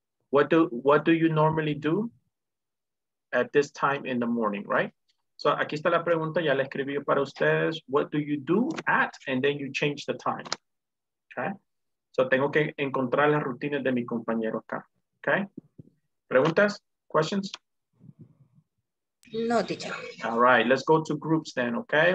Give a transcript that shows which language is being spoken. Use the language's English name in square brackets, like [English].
[English] What do you normally do at this time in the morning, right? [Spanish] So aquí está la pregunta, ya la escribí para ustedes. [English] What do you do at? And then you change the time, okay? [Spanish] So tengo que encontrar las rutinas de mi compañero acá, okay? Preguntas, questions? [English] No, teacher. All right, let's go to groups then, okay?